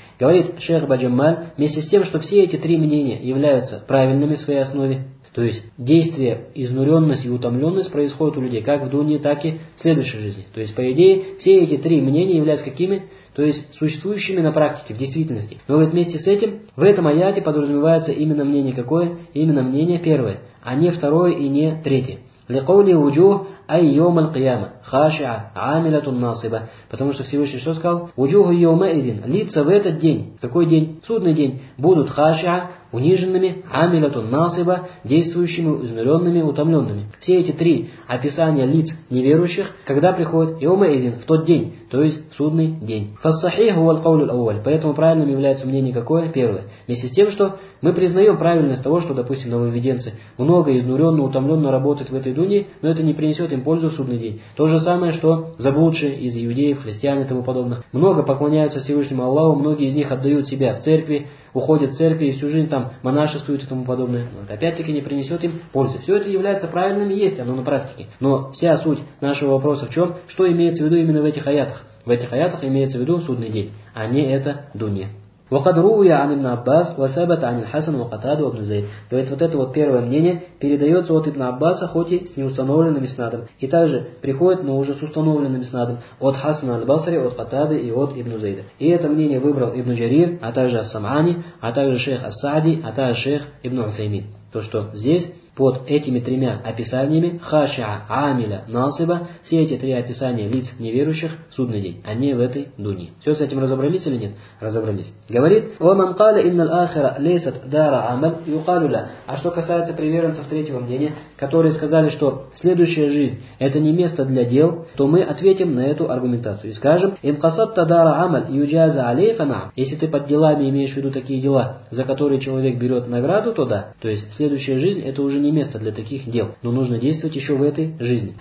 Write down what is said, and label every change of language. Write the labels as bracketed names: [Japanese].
[Russian] Говорит шейх Баджамаль, вместе с тем, что все эти три мнения являются правильными в своей основе, то есть действие, изнуренность и утомленность происходят у людей как в дунии, так и в следующей жизни. То есть, по идее, все эти три мнения являются какими? То есть, существующими на практике, в действительности. Но говорит, вместе с этим, в этом аяте подразумевается именно мнение какое? Именно мнение первое, а не второе и не третье. [Arabic] لقول وجوه أي يوم القيامة خاشعة عاملة ناصبة. [Russian] Потому что Всевышний что сказал? [Arabic] وجوه يومئذ. [Russian] Лица в этот день, какой день? Судный день. Будут خاشعة, униженными, амилату насиба, действующими, изнуренными, утомленными. Все эти три описания лиц неверующих, когда приходят йома изин, в тот день, то есть судный день. Фассахиху валь каулю ауаль. Поэтому правильным является мнение какое? Первое. Вместе с тем, что мы признаем правильность того, что, допустим, нововведенцы много изнуренно, утомленно работают в этой дуне, но это не принесет им пользу в судный день. То же самое, что заблудшие из иудеев, христиан и тому подобных. Много поклоняются Всевышнему Аллаху, многие из них отдают себя в церкви, уходят в церкви и всю жизнь там монашествуют и тому подобное. Но это опять-таки не принесет им пользы. Все это является правильным и есть оно на практике. Но вся суть нашего вопроса в чем? Что имеется в виду именно в этих аятах? В этих аятах имеется в виду судный день, а не это дунья. [Arabic] وقد روي عن ابن عباس وثبت عن الحسن وقتادة وابن زيد. [Russian] То есть вот это вот первое мнение передается от ибн Аббаса, хоть и с неустановленным иснадом, и также приходит, но уже с установленным иснадом от Хасана аль-Басри, от Катады и от ибн Зейда. И это мнение выбрал ибн Джарир, а также ас-Самани, а также шейх ас-Саади, а также шейх ибн Усаймин. То что здесь под этими тремя описаниями хашиа, амиля, насиба, все эти три описания лиц неверующих в судный день, а не в этой дуне. Все с этим разобрались или нет? Разобрались. Говорит: [Arabic] وَمَنْ قَالَ إِنَّ الْآخِرَ لَيْسَتْ دَارَ عَمَلٍ يُقَالُ لَهُ. [Russian] А что касается приверженцев третьего мнения, которые сказали, что следующая жизнь это не место для дел, то мы ответим на эту аргументацию и скажем: [Arabic] إِنْ قَصَدْتَ دَارَ عَمَلٍ يُجَازَ عَلَيْهِ. [Russian] Если ты под делами имеешь в виду такие дела, за которые человек берет награду, то да. То есть следующая жизнь это уже не место для таких дел, но нужно действовать еще в этой жизни.